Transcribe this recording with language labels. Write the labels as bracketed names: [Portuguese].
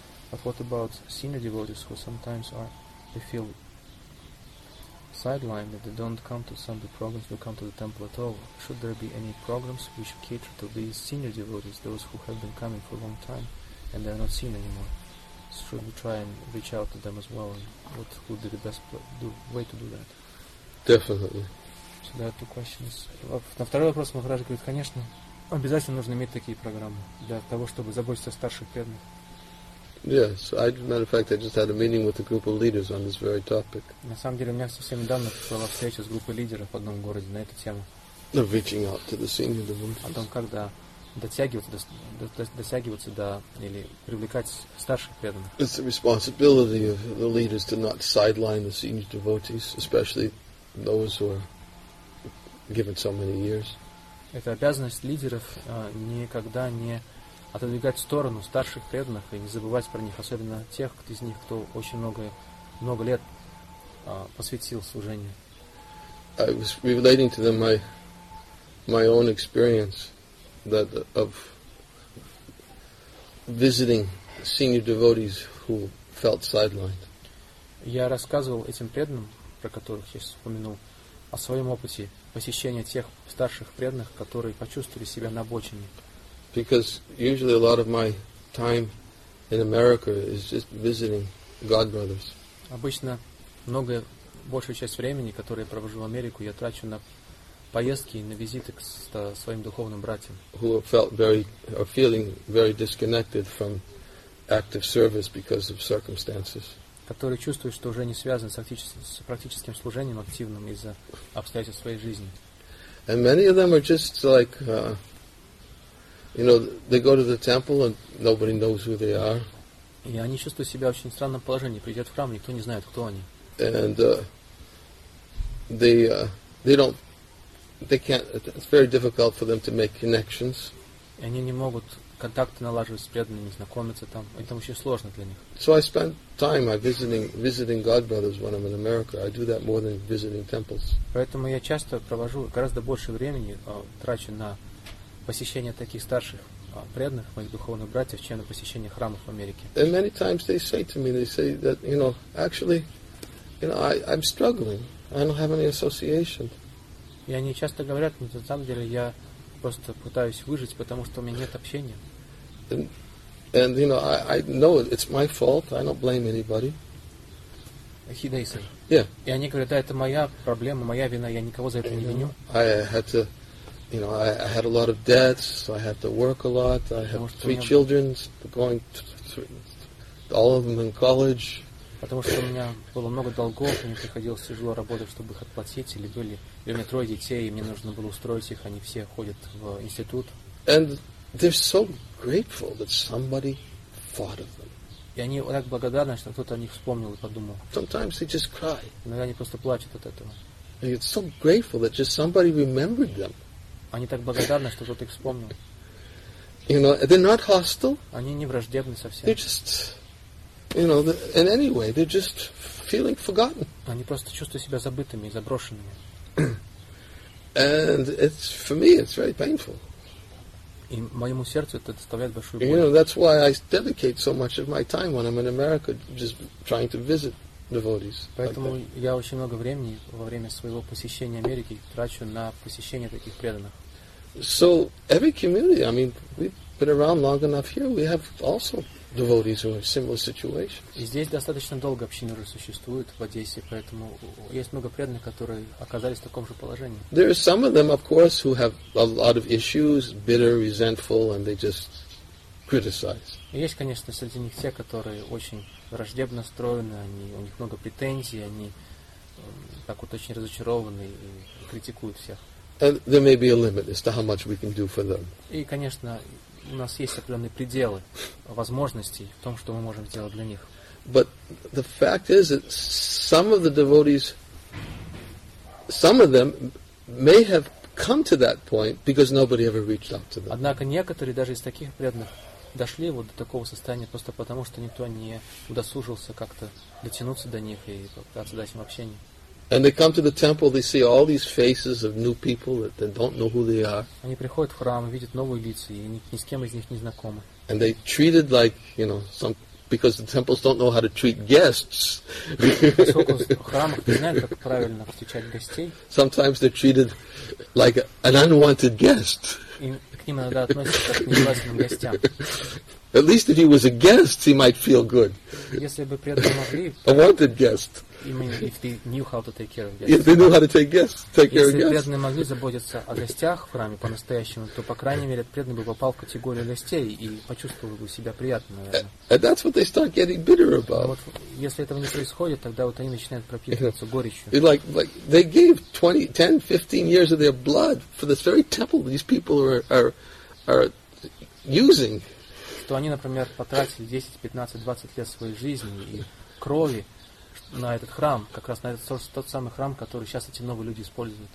[English] But what about senior devotees who sometimes they feel sidelined, that they don't come to Sunday programs, they come to the temple at all? Should there be any programs which cater to these senior devotees, those who have been coming for a long time and they're not seen anymore? Should we try and reach out to them as well? And what would be the best way to do that? Definitely. So there are two questions. [Russian] На второй вопрос Махарадж говорит, конечно, обязательно нужно иметь такие программы для того, чтобы заботиться о старших преданных. [English] Yes, matter of fact, I just had a meeting with a group of leaders on this very topic. [Russian] На самом деле, у меня совсем недавно была встреча с группой лидеров в одном городе на эту тему. [English] Reaching out to the senior devotees. [Russian] О том, как дотягиваться до или привлекать старших преданных. [English] It's the responsibility of the leaders to not sideline the senior devotees, especially those who are given so many years. [Russian] Это обязанность лидеров никогда не отодвигать в сторону старших преданных и не забывать про них, особенно тех из них, кто очень много лет посвятил служению. [English] I was relating to them my own experience that of visiting senior devotees who felt sidelined. [Russian] Я рассказывал этим преданным, про которых я сейчас упомянул, о своем опыте посещения тех старших преданных, которые почувствовали себя на обочине. [English] Because usually a lot of my time in America is just visiting God brothers. [Russian] Обычно большую часть времени, которое я провожу в Америку, я трачу на поездки и на визиты к своим духовным братьям. [English] Who felt feeling very disconnected from active service because of circumstances. [Russian] Которые чувствуют, что уже не связаны с практическим служением активным из-за обстоятельств своей жизни. [English] And many of them are just like, you know, they go to the temple and nobody knows who they are. [Russian] И они чувствуют себя в очень странном положении. Придет в храм, никто не знает, кто они. [English] And it's very difficult for them to make connections. [Russian] И они не могут контакты налаживать с преданными, знакомиться там. Это очень сложно для них. [English] So I spend time visiting God brothers when I'm in America. I do that more than visiting temples. [Russian] Поэтому я часто провожу гораздо больше времени трачу на посещение таких старших преданных, моих духовных братьев, чем на посещение храмов в Америке. [English] And many times they say to me, they say that, you know, actually, you know, I'm struggling. I don't have any association. [Russian] И они часто говорят, но на самом деле я просто пытаюсь выжить, потому что у меня нет общения. [English] And you know, I know it's my fault. I don't blame anybody. Хидейсер. Yeah. [Russian] И они говорят, да, это моя проблема, моя вина, я никого за это не виню. [English] You know, I had a lot of debts, so I had to work a lot. I have three children, going all of them in college. [Russian] Потому что у меня было много долгов, мне приходилось тяжело работать, чтобы их отплатить, или были у меня трое детей, и мне нужно было устроить их, они все ходят в институт. [English] And they're so grateful that somebody thought of them. [Russian] И они так благодарны, что кто-то о них вспомнил и подумал. [English] Sometimes they just cry. [Russian] Иногда они просто плачут от этого. [English] And it's so grateful that just somebody remembered them. [Russian] Они так благодарны, что кто-то их вспомнил. [English] You know, they're not hostile. [Russian] Они не враждебны совсем. [English] They're just, you know, in any way, they're just feeling forgotten. [Russian] Они просто чувствуют себя забытыми и заброшенными. [English] And it's, for me, it's very painful. [Russian] И моему сердцу это доставляет большую боль. [English] You know, that's why I dedicate so much of my time when I'm in America just trying to visit devotees. [Russian] Поэтому я очень много времени во время своего посещения Америки трачу на посещение таких преданных. [English] So every community, I mean, we've been around long enough here, we have also devotees who are in similar situations. [Russian] И здесь достаточно долго община уже существует в Одессе, поэтому есть много преданных, которые оказались в таком же положении. [English] There are some of them, of course, who have a lot of issues, bitter, resentful, and they just criticize. [Russian] Есть, конечно, среди них те, которые очень враждебно настроены, они, у них много претензий, они так вот очень разочарованы и критикуют всех. [English] And there may be a limit as to how much we can do for them. [Russian] И, конечно, у нас есть определенные пределы возможностей в том, что мы можем сделать для них. [English] But the fact is that some of the devotees, some of them may have come to that point because nobody ever reached out to them. [Russian] Однако некоторые даже из таких преданных дошли вот до такого состояния просто потому, что никто не удосужился как-то дотянуться до них и попытаться дать им общение. [English] And they come to the temple, they see all these faces of new people that they don't know who they are. [Russian] Они приходят в храм, видят новые лица, и ни с кем из них не знакомы. [English] And they treated like, you know, some, because the temples don't know how to treat guests. [Russian] Поскольку храм не знает, как правильно встречать гостей. [English] Sometimes they're treated like an unwanted guest. [Russian] И к ним иногда относятся как к нежеланным гостям. [English] At least if he was a guest, he might feel good. [Russian] Если бы преданные могли. [English] A wanted guest. You mean if they knew how to take care of guests? If they knew how to take guests, take care of guests. [Russian] Если преданные могли заботиться о гостях в храме по-настоящему, то по крайней мере преданный бы попал в категорию гостей и почувствовал бы себя приятно, наверное. [English] And that's what they start getting bitter about. [Russian] Вот, если этого не происходит, тогда вот они начинают пропитываться горечью. [English] Like they gave 10-15 years of their blood for this very temple these people are using. [Russian] То они, например, потратили 10, 15, 20 лет своей жизни и крови на этот храм, как раз на этот тот самый храм, который сейчас эти новые люди используют.